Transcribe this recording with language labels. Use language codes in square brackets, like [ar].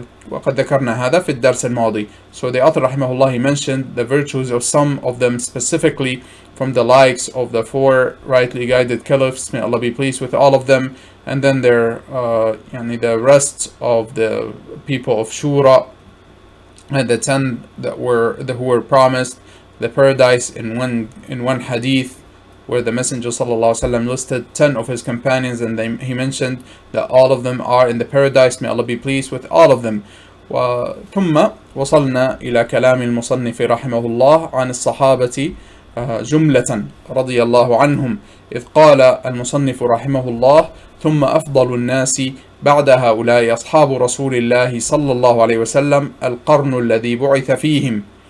[ar] وقد ذكرنا هذا في الدرس الماضي. [en] So the author رحمه الله mentioned the virtues of some of them specifically from the likes of the four rightly guided caliphs, may Allah be pleased with all of them, and then their يعني the rest of the people of shura and the ten who were promised the paradise in one hadith where the Messenger sallallahu alaihi wasallam listed 10 of his companions and he mentioned that all of them are in the paradise, may Allah be pleased with all of them. [ar] ثم وصلنا الى كلام المصنف رحمه الله عن الصحابة جملة رضي الله عنهم، اذ قال المصنف رحمه الله: ثم افضل الناس بعد هؤلاء اصحاب رسول الله صلى الله عليه وسلم القرن الذي بعث فيهم.